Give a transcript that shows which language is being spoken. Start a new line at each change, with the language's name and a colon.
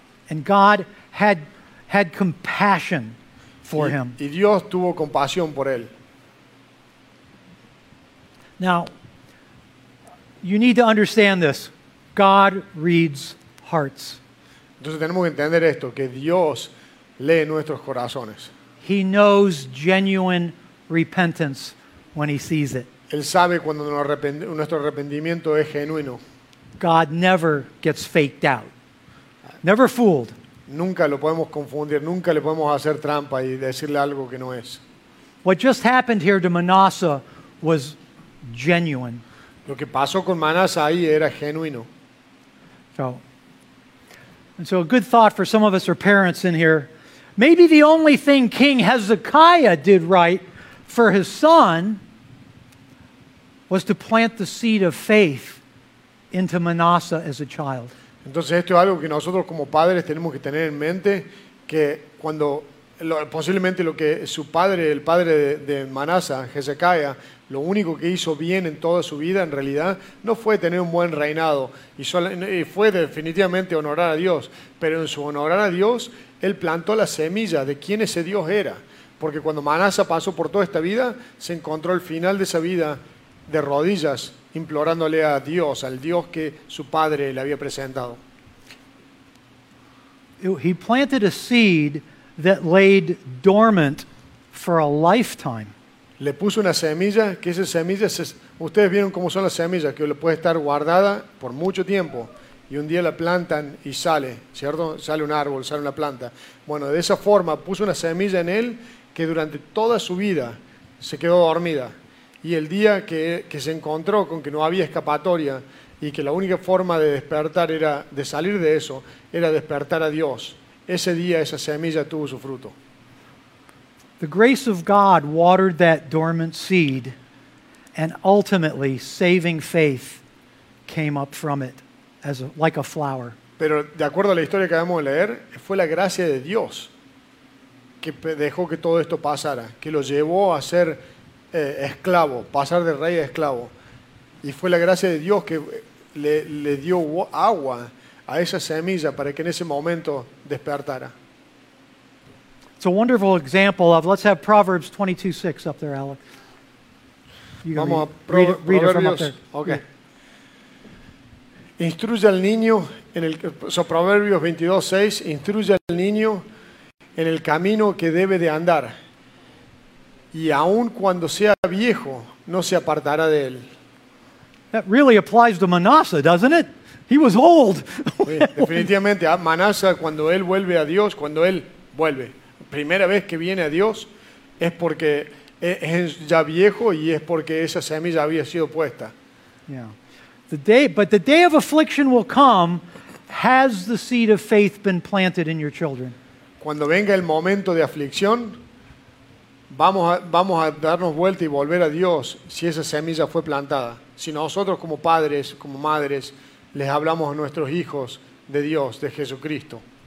English: And God had compassion for him.
Spanish: Y Dios tuvo compasión por él.
English: Now, you need to understand this. God reads hearts.
Spanish: Entonces tenemos que entender esto, que Dios lee nuestros corazones.
English: He knows genuine repentance when he sees it.
Spanish: Él sabe cuando nuestro arrepentimiento es genuino.
English: God never gets faked out. Never fooled.
Spanish: Nunca lo podemos confundir, nunca le podemos hacer trampa y decirle algo que no es.
English: What just happened here to Manasseh was genuine.
Spanish: Lo que pasó con Manasseh ahí era genuino.
English: So a good thought for some of us or parents in here. Maybe the only thing King Hezekiah did right for his son was to plant the seed of faith into Manasseh as a child.
Spanish: Entonces esto es algo que nosotros como padres tenemos que tener en mente, que cuando posiblemente lo que su padre, el padre de Manasseh, Hezekiah, lo único que hizo bien en toda su vida en realidad no fue tener un buen reinado y fue definitivamente honorar a Dios, pero en su honorar a Dios él plantó la semilla de quién ese Dios era, porque cuando Manasseh pasó por toda esta vida se encontró al final de esa vida de rodillas implorándole a Dios, al Dios que su padre le había presentado.
English: He planted a seed that laid dormant for a lifetime.
Spanish: Le puso una semilla, que esa semilla, ustedes vieron cómo son las semillas, que puede estar guardada por mucho tiempo y un día la plantan y sale, ¿cierto? Sale un árbol, sale una planta. Bueno, de esa forma puso una semilla en él que durante toda su vida se quedó dormida. Y el día que se encontró con que no había escapatoria y que la única forma de despertar era, de salir de eso, era despertar a Dios. Ese día esa semilla tuvo su fruto.
English: The grace of God watered that dormant seed and ultimately saving faith came up from it as a, like a flower.
Spanish: Pero de acuerdo a la historia que acabamos de leer, fue la gracia de Dios que dejó que todo esto pasara, que lo llevó a ser esclavo, pasar de rey a esclavo. Y fue la gracia de Dios que le dio agua a esa semilla para que en ese momento despertara.
English: It's a wonderful example of, let's have Proverbs 22:6 up there, Alex.
Spanish: Vamos a
English: read it from up there. Okay. Yeah.
Spanish: Instruye al niño en el, so Proverbios 22:6, instruye al niño en el camino que debe de andar. Y aun cuando sea viejo, no se apartará de él.
English: That really applies to Manasseh, doesn't it? He was old.
Spanish: Definitivamente, Manasseh, cuando él vuelve a Dios, cuando él vuelve, primera vez que viene a Dios, es porque es ya viejo y es porque esa semilla había sido puesta.
English: Yeah. But the day of affliction will come, has the seed of faith been planted in your children?
Spanish: Cuando venga el momento de aflicción, vamos a darnos vuelta y volver a Dios si esa semilla fue plantada. Si nosotros como padres, como madres, les hablamos a nuestros hijos de Dios, de Jesucristo.